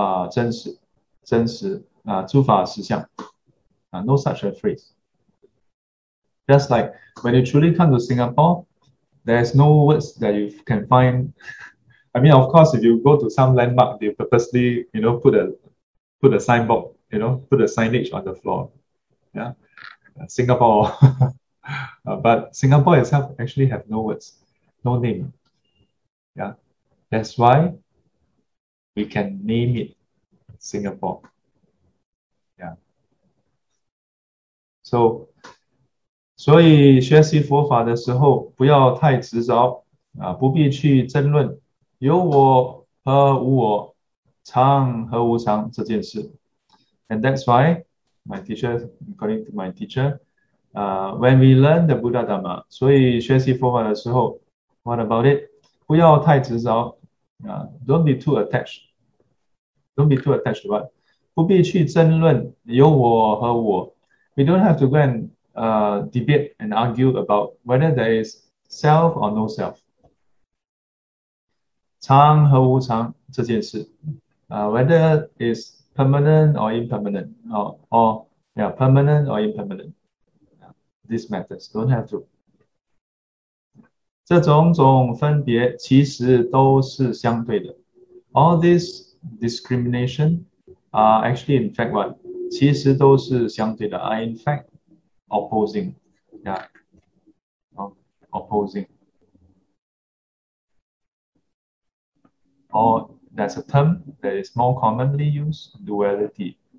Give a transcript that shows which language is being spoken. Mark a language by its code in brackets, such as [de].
[zh] 一切法都是真如，诸法真实，诸法实相. [en] No such a phrase. Just like when you truly come to Singapore, there's no words that you can find. I mean, of course, if you go to some landmark, they purposely, you know, put a signboard, you know, put a signage on the floor. Yeah. Singapore. But Singapore itself actually have no words, no name. Yeah. That's why we can name it Singapore. Yeah. [zh] So 所以学习佛法的时候不要太执着，不必去争论有我和无我、常和无常这件事. [en] And that's why my teacher, according to my teacher, when we learn the Buddha Dhamma, [zh] 所以学习佛法的时候, [en] what about it? [zh] 不要太执着, [en] don't be too attached. Don't be too attached to what? [zh] 不必去争论有我和我. [en] We don't have to go and debate and argue about whether there is self or no self. [zh] 常和无常这件事, [en] whether it's permanent or impermanent, permanent or impermanent. These matters don't have to. [zh] 这种种分别其实都是相对的. [en] All this discrimination are actually in fact what? [zh] 其实都是相对的, [en] are in fact opposing. Opposing. Or that's a term that is more commonly used, duality.